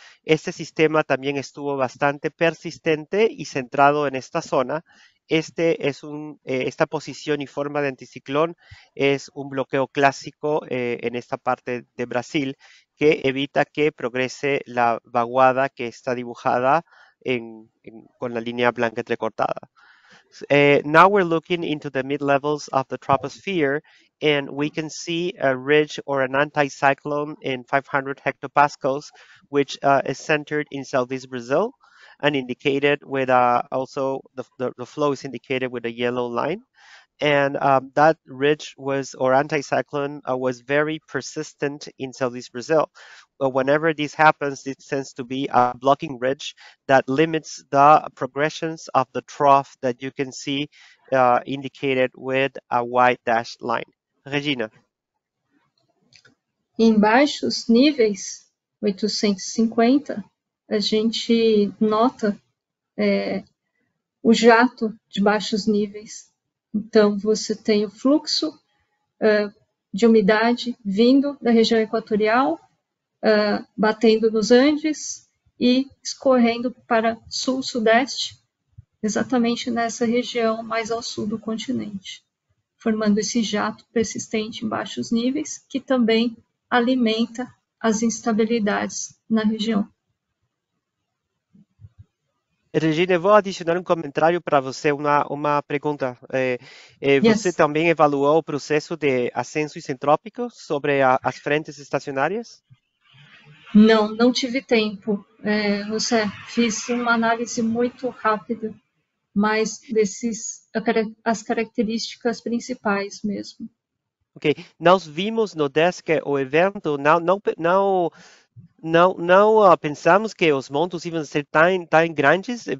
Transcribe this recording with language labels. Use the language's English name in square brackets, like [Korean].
[Spanish] Este sistema también estuvo bastante persistente y centrado en esta zona. Esta posición y forma de anticiclón es un bloqueo clásico en esta parte de Brasil que evita que progrese la vaguada que está dibujada. Con la línea blanca entrecortada. [English] Now we're looking into the mid-levels of the troposphere and we can see a ridge or an anticyclone in 500 hectopascals, which is centered in southeast Brazil and indicated with also the flow is indicated with a yellow line. And that ridge was or anticyclone was very persistent in southeast Brazil. But whenever this happens, it tends to be a blocking ridge that limits the progressions of the trough that you can see indicated with a white dashed line. [Portuguese] Regina. Em baixos níveis, 850, a gente nota o jato de baixos níveis. Então, você tem o fluxo de umidade vindo da região equatorial, batendo nos Andes e escorrendo para sul-sudeste, exatamente nessa região mais ao sul do continente, formando esse jato persistente em baixos níveis, que também alimenta as instabilidades na região. [Spanish] Regina, voy a adicionar un comentario para usted, una pregunta. ¿Usted [English] Yes. [Spanish] también evaluó el proceso de ascenso isentrópico sobre las frentes estacionarias? [Portuguese] Não, não tive tempo. José, fiz uma análise muito rápida, mas desses as características principais mesmo. Ok, nós vimos no desk o evento, não pensamos que os montes iam ser tão grandes.